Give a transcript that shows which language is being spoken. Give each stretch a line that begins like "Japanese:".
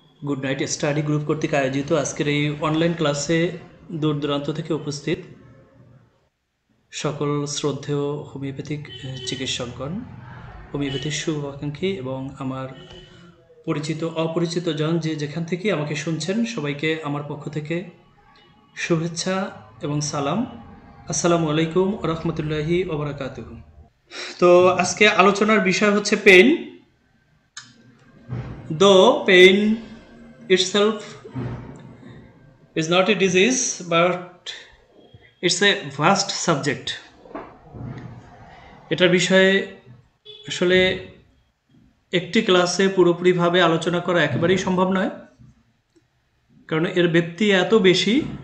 Bangla: Good night study group কর্তৃক আয়োজিত আজকের এই অনলাইন ক্লাসে দূর দূরান্ত থেকে উপস্থিত সকল শ্রদ্ধেয় হোমিওপ্যাথিক চিকিৎসকগণ, হোমিওপ্যাথির শুভাকাঙ্ক্ষী এবং আমার পরিচিত অপরিচিত জন যে যেখান থেকে আমাকে শুনছেন সবাইকে আমার পক্ষ থেকে শুভেচ্ছা এবং সালাম। আসসালামু আলাইকুম ও রহমতুল্লাহি ও বারাকাতুহু। তো আজকে আলোচনার বিষয় হচ্ছে পেইন।
English: Though pain itself is not a disease, but it's a vast subject.
Bangla: এটার বিষয়ে আসলে একটি ক্লাসে পুরোপুরিভাবে আলোচনা করা একেবারেই সম্ভব নয়, কারণ এর ব্যাপ্তি এত বেশি।